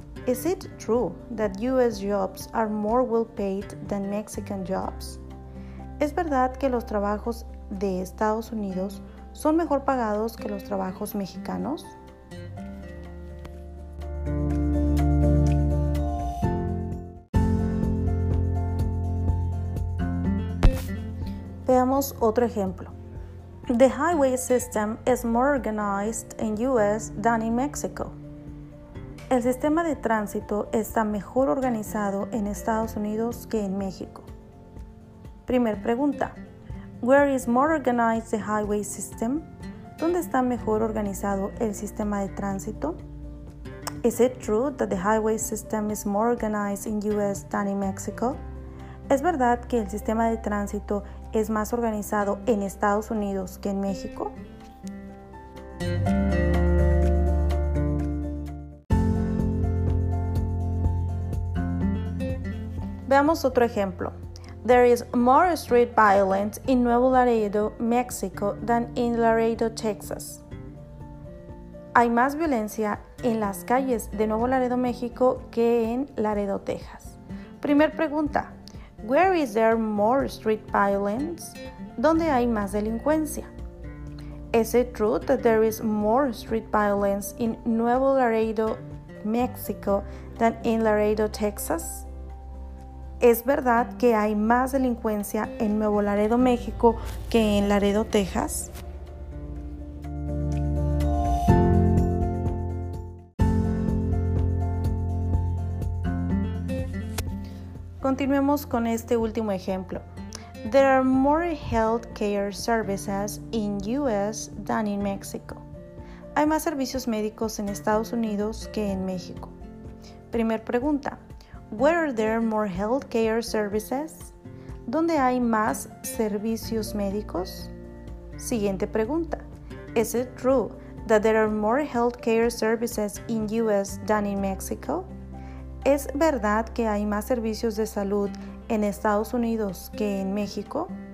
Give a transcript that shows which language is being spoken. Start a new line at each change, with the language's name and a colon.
English: Is it true that US jobs are more well paid than Mexican jobs?
Spanish: ¿Es verdad que los trabajos de Estados Unidos son mejor pagados que los trabajos mexicanos? Veamos otro ejemplo.
English: The highway system is more organized in US than in Mexico.
Spanish: El sistema de tránsito está mejor organizado en Estados Unidos que en México. Primer pregunta.
English: Where is more organized the highway system?
Spanish: ¿Dónde está mejor organizado el sistema de tránsito?
English: Is it true that the highway system is more organized in US than in Mexico?
Spanish: ¿Es verdad que el sistema de tránsito es más organizado en Estados Unidos que en México? Veamos otro ejemplo.
English: There is more street violence in Nuevo Laredo, Mexico, than in Laredo, Texas.
Spanish: Hay más violencia en las calles de Nuevo Laredo, México, que en Laredo, Texas. Primer pregunta.
English: Where is there more street violence?
Spanish: ¿Dónde hay más delincuencia?
English: Is it true that there is more street violence in Nuevo Laredo, Mexico, than in Laredo, Texas?
Spanish: ¿Es verdad que hay más delincuencia en Nuevo Laredo, México, que en Laredo, Texas? Continuemos con este último ejemplo.
English: There are more healthcare services in US than in Mexico.
Spanish: Hay más servicios médicos en Estados Unidos que en México. Primer pregunta.
English: Where are there more healthcare services?
Spanish: ¿Dónde hay más servicios médicos? Siguiente pregunta.
English: Is it true that there are more healthcare services in US than in Mexico?
Spanish: ¿Es verdad que hay más servicios de salud en Estados Unidos que en México?